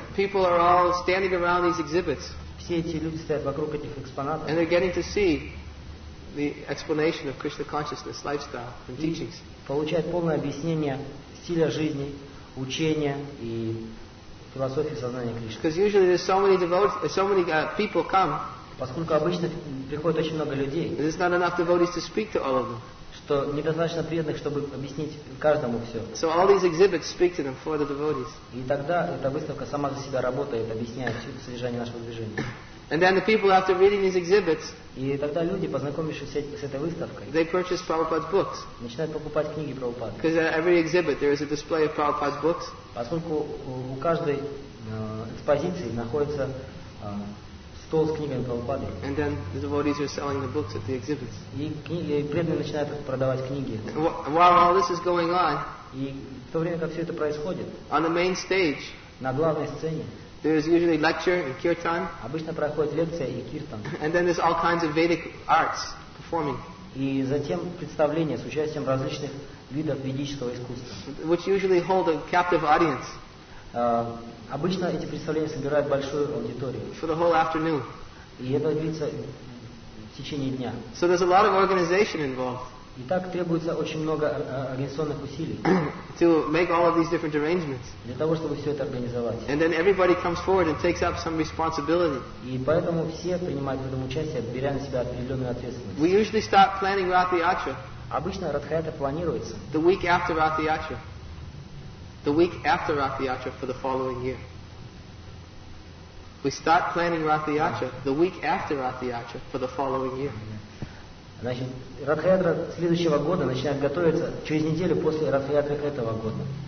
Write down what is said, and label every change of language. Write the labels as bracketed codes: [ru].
[en] People are all standing around these exhibits. [ru] Все эти люди стоят вокруг этих экспонатов. [en] And they're getting to see the explanation of Krishna consciousness, lifestyle, and teachings. [ru] Получают полное объяснение стиля жизни, учения и философии сознания Кришны. [en] Because usually there's so many devotees, so many people come. [ru] Поскольку обычно приходит очень много людей. [en] There's not enough devotees to speak to all of them. [ru] Что недостаточно преданных, чтобы объяснить каждому все. [en] So all these exhibits speak to them for the devotees. [ru] И тогда эта выставка сама за себя работает, объясняет все содержание нашего движения. [en] And then the people, after reading these exhibits, [ru] и тогда люди, познакомившись с этой выставкой, [en] they purchase Prabhupada's books. [ru] Начинают покупать книги Прабхупады. [en] Because at every exhibit there is a display of Prabhupada's books. [ru] Поскольку у каждой экспозиции находится стол с книгами Прабхупады. [en] And then the devotees are selling the books at the exhibits. [ru] И преданные начинают продавать книги. [en] While all this is going on, [ru] и в то время как все это происходит, [en] on the main stage, [ru] на главной сцене. [en] There is usually lecture and kirtan. [ru] Обычно проходит лекция и киртан. [en] And then there's all kinds of Vedic arts performing. [ru] И затем представления с участием различных видов ведического искусства. [en] Which usually hold a captive audience. [ru] Обычно эти представления собирают большую аудиторию. [en] For the whole afternoon. [ru] И это длится в течение дня. [en] So there's a lot of organization involved. [ru] И так требуется очень много организационных усилий [en] to make all of these different arrangements. [ru] Для того, чтобы все это организовать. [en] And then everybody comes forward and takes up some responsibility. [ru] И поэтому все принимают в этом участие, беря на себя определенную ответственность. [en] We usually start planning Ratha Yatra. [ru] Обычно Ратха-ятра планируется. [en] The week after Ratha Yatra. The week after Ratha Yatra for the following year. We start planning Ratha Yatra the week after Ratha Yatra for the following year. [ru] Значит, Ратха-ятра следующего года начинает готовиться через неделю после Ратха-ятры этого года.